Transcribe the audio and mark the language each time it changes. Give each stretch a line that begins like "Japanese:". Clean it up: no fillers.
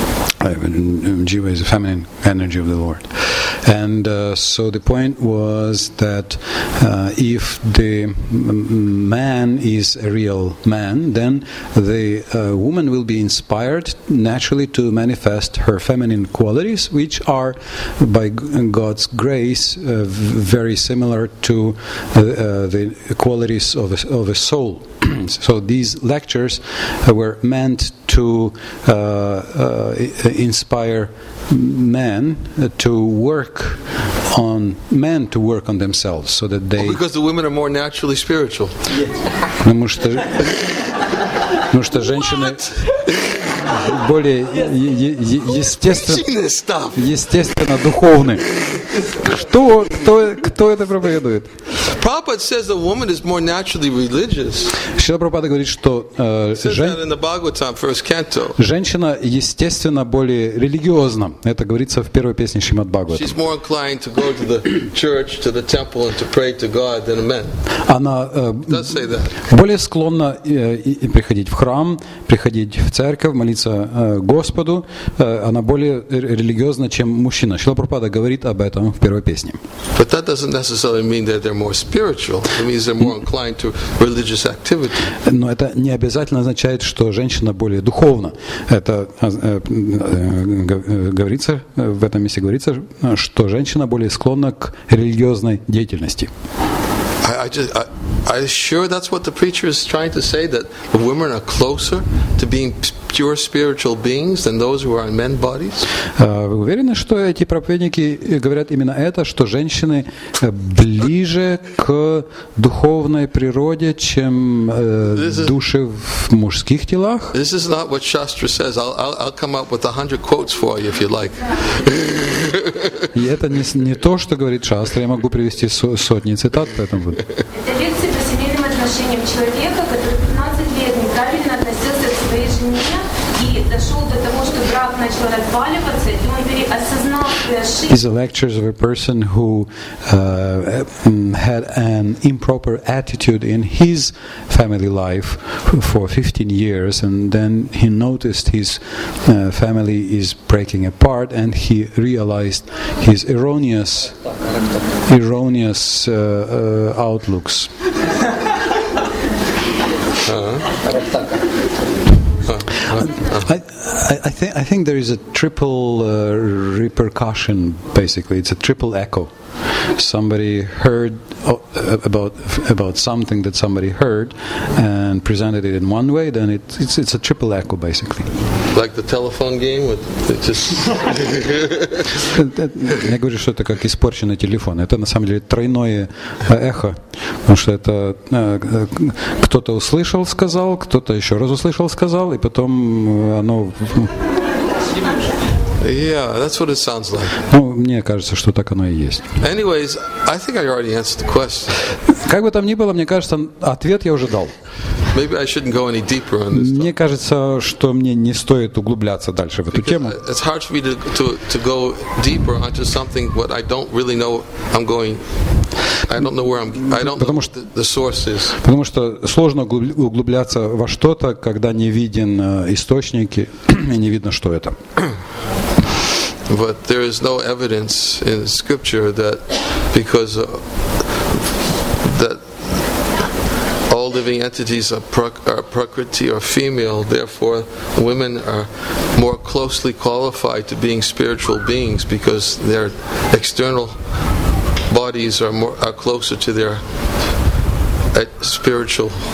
English: Jiva is a feminine energy of the Lord. And so the point was that if the man is a real man, then the woman will be inspired naturally to manifest her feminine qualities, which are, by God's grace, very similar to the qualities of a soul. So these lectures were meant to inspire men to work on men to work on themselves, so that they. Well, because the women are more naturally spiritual.
Russian: Потому что женщины более естественно духовны. Что? Кто это проповедует?
English: Prabhupada says a woman is more naturally religious.
Russian: Шрила Прабхупада говорит, что
English: in the Bhagavatam, first canto.
Russian: Женщина естественно более религиозна. Это говорится в первой песне Шримад Бхагаватам.
English: She's more inclined to go to the church, to the temple, and to pray to God than a man.
Russian: Она
English: does say that.
Russian: Более склонна приходить в храм, приходить в церковь, молиться Господу. Она более религиозна, чем мужчина. Шрила Прабхупада говорит об этом в первой песне.
English: But that doesn't necessarily mean that they're more spiritual. It means they're more inclined to religious activity.
Russian: Но это не обязательно означает, что женщина более духовна. Это говорится в этом месте говорится, что женщина более склонна к религиозной деятельности.
English: I sure that's what the preacher is trying to say, that women are closer to being pure spiritual beings than those who are in men bodies?
Russian: Вы уверены, что эти проповедники говорят именно это, что женщины ближе к духовной природе, чем души в мужских телах?
English: This is not what Shastra says. I'll come up with 100 quotes for you if you like.
Russian: И это не то, что говорит Шастра. Я могу привести сотни цитат по этому. Это лекция по семейным отношениям человека, который 15 лет неправильно относился к своей жене и дошел до того, что брак начал разваливаться, и он переосознал свои ошибки.
English: These are lectures of a person who had an improper attitude in his family life for 15 years, and then he noticed his family is breaking apart, and he realized his erroneous outlooks. I think there is a triple repercussion, basically. It's a triple echo. Somebody heard about something that somebody heard and presented it in one way, then it's a triple echo, basically. Like the telephone game with just...
Russian: Я говорю, что это как испорченный телефон. Это на самом деле тройное эхо. Потому что это кто-то услышал, сказал, кто-то еще раз услышал, сказал, и потом оно...
English: Yeah, that's what it sounds like.
Russian: Ну, мне кажется, что так оно и есть.
English: Anyways, I think I already answered the question.
Russian: Как бы там ни было, мне кажется, ответ я уже дал.
English: Maybe I shouldn't go any deeper on this.
Russian: Мне кажется, что мне не стоит углубляться дальше в эту тему.
English: It's hard for me to go deeper onto something what I don't really know I'm going. I don't know where I'm. I don't know what the source is.
Russian: Потому что сложно углубляться во что-то, когда не виден источник и не видно, что это.
English: But there is no evidence in Scripture that because that all living entities are prakriti or female, therefore women are more closely qualified to being spiritual beings because their external bodies are closer to their spiritual.